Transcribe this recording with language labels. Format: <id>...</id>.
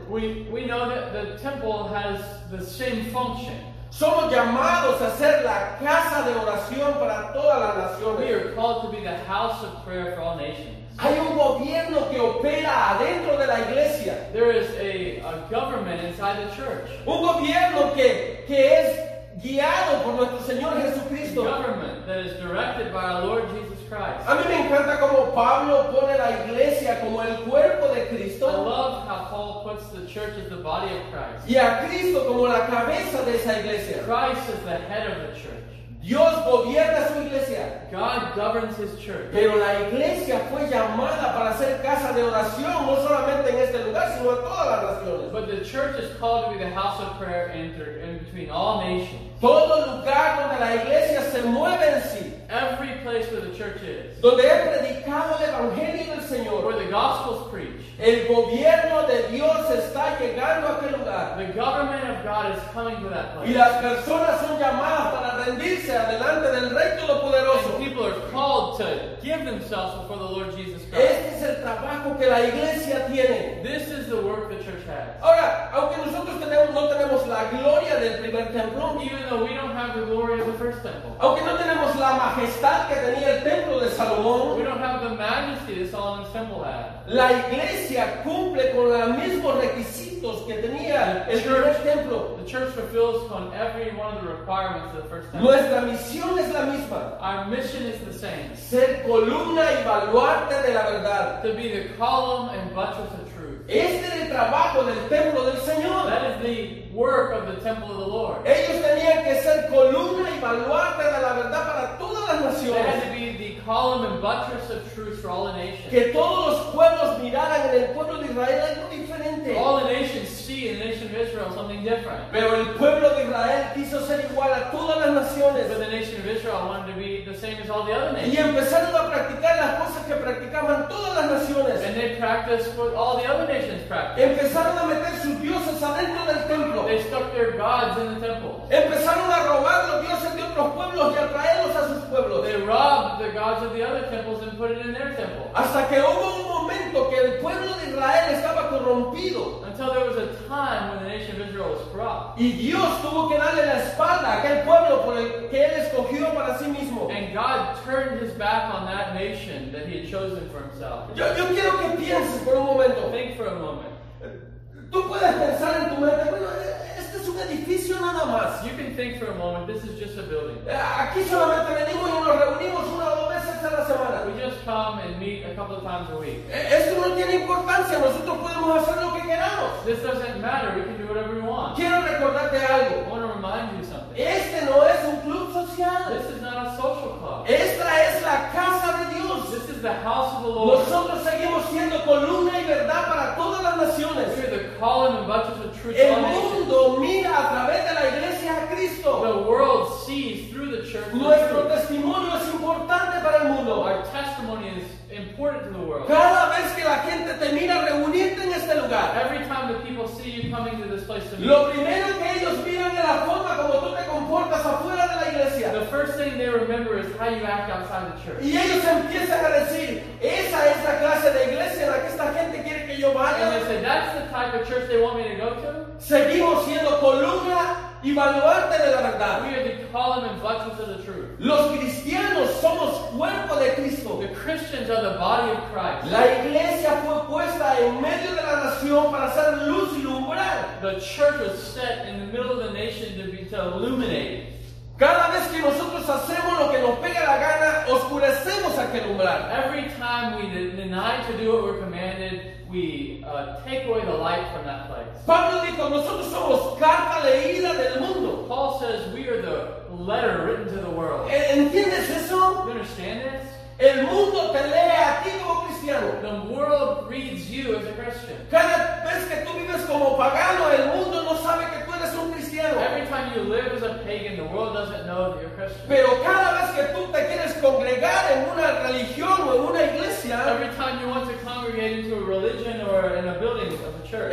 <en>We know that the temple has the same function.</en> <es>Somos llamados a ser la casa de oración para todas las naciones.</es> <en>We are called to be the house of prayer for all nations.</en> <es>Hay un gobierno que opera adentro de la iglesia.</es> <en>There is a government inside the church.</en> <es>Un gobierno que es guiado por nuestro Señor Jesucristo.</es> <en>A government that is directed by our Lord Jesus Christ.</en> <es>A mí me encanta como Pablo pone la iglesia como el cuerpo de Cristo.</es> <en>I love how Paul puts the church as the body of Christ.</en> <es>Y a Cristo como la cabeza de esa iglesia.</es> <en>Christ is the head of the church.</en> <es>Dios gobierna su iglesia.</es> <en>God governs his church.</en> <es>Pero la iglesia fue llamada para ser casa de oración, no solamente en este lugar, sino en todas las naciones.</es> <en>But the church is called to be the house of prayer in between all nations.</en> <es>Todo lugar donde la iglesia se mueve en sí.</es> <en>Every place where the church is.</en> <es>Donde es predicado el evangelio del Señor.</es> <en>Where the gospel's preached.</en> <es>El gobierno de Dios está llegando a aquel lugar.</es> <en>The government of God is coming to that place.</en> <es>Y las personas son llamadas para rendirse delante del Rey Todopoderoso.</es> <en>People are called to give themselves before the Lord Jesus Christ.</en> <es>Este es el trabajo que la iglesia tiene.</es> <en>This is the work the church has.</en> <es>Ahora, aunque nosotros no tenemos la gloria del primer templo,</es> <en>even though we don't have the glory of the first temple,</en> <es>aunque no tenemos la majestad que tenía el templo de Salomón,</es> <en>we don't have the majesty that Solomon's temple had.</en> <es>La iglesia cumple con los mismos requisitos que tenía el primer templo.</es> <en>The church fulfills on every one of the requirements of the first temple.</en> <es>Nuestra misión es la misma.</es> <en>Our mission is the same.</en> <es>Ser columna y baluarte de la verdad.</es> <en>To be the column and buttress of truth.</en> <es>Este es el trabajo del templo del Señor.</es> <en>That is the work of the temple of the Lord.</en> <es>Ellos tenían que ser columna y baluarte de la verdad para todas las naciones.</es> <en>They had to be the column and buttress of truth for all the nations.</en> <es>Que todos los pueblos miraran en el pueblo de Israel algo diferente.</es> <en>All the nations see in the nation of Israel something different.</en> <es>Pero el pueblo de Israel quiso ser igual a todas las naciones.</es> <en>But the nation of Israel wanted to be the same as all the other nations.</en> <es>Y empezaron a practicar las cosas que practicaban todas las naciones.</es> <en>And they practiced what all the other nations practiced.</en> <es>Empezaron a meter sus dioses adentro del templo.</es> <en>They stuck their gods in the temple.</en> <es>Empezaron a robar los dioses de otros pueblos y a traerlos a sus pueblos.</es> <en>They robbed the gods of the other temples and put it in their temple.</en> <es>Hasta que hubo un momento que el pueblo de Israel estaba corrompido.</es> <en>Until there was a time when the nation of Israel was corrupt.</en> <es>Y Dios tuvo que darle la espalda a aquel pueblo por el que él escogió para sí mismo.</es> <en>And God turned his back on that nation that he had chosen for himself.</en> <es>Yo quiero que pienses por un momento.</es> <en>Think for a moment.</en> <es>Tú puedes pensar en tu mente, bueno, este es un edificio nada más.</es> <en>You can think for a moment, this is just a building.</en> <es>Aquí solamente venimos y nos reunimos una o dos veces a la semana.</es> <en>We just come and meet a couple of times a week.</en> <es>Esto no tiene importancia, nosotros podemos hacer lo que queramos.</es> <en>This doesn't matter, we can do whatever we want.</en> <es>Quiero recordarte algo.</es> <en>I want to remind you something.</en> <es>Este no es un club social.</es> <en>This is not a social club.</en> <es>Esta es la casa de Dios.</es> <en>This is the house of the Lord.</en> <es>Nosotros seguimos siendo columna y verdad para todas las naciones.</es> <en>Column and buttress of truth.</en> <es>El mundo mira a través de la iglesia a Cristo.</es> <en>The world sees through the church.</en> <es>Nuestro testimonio es importante para el mundo.</es> <en>Our testimony is important to the world.</en> <es>Cada vez que la gente te mira reunirte en este lugar.</es> <en>Every time the people see you coming to this place to meet.</en> <es>Lo primero que ellos miran es la forma como tú te comportas afuera de la iglesia.</es> <en>The first thing they remember is how you act outside the church.</en> <es>Y ellos empiezan a decir, esa es la clase de iglesia en la que esta gente quiere que yo vaya.</es> <en>And they say, that's the type of church they want me to go to.</en> <es>Seguimos siendo columna y baluarte de la verdad.</es> <en>We are the column and buttress of the truth.</en> <es>Los cristianos somos cuerpo de Cristo.</es> <en>The Christians are the body of Christ.</en> <es>La iglesia fue puesta en medio de la nación para ser luz y lumbrar.</es> <en>The church was set in the middle of the nation to illuminate.</en> <es>Cada vez que nosotros hacemos lo que nos pega la gana, oscurecemos aquel umbral.</es> <en>Every time we deny to do what we're commanded, we take away the light from that place.</en> <es>Pablo dijo, nosotros somos carta leída del mundo.</es> <en>Paul says, we are the letter written to the world.</en> <es>¿Entiendes eso?</es> <en>You understand this?</en> <es>El mundo te lee a ti como cristiano.</es> <en>The world reads you as a Christian.</en> <es>Cada vez que tú vives como pagano, el mundo no sabe que tú eres un cristiano.</es> <en>Every time you live as a pagan, the world doesn't know that you're Christian.</en> <es>Pero cada vez que tú te quieres congregar en una religión o en una iglesia,</es> <en>every time you want to congregate into a religion or in a building of a church,</en>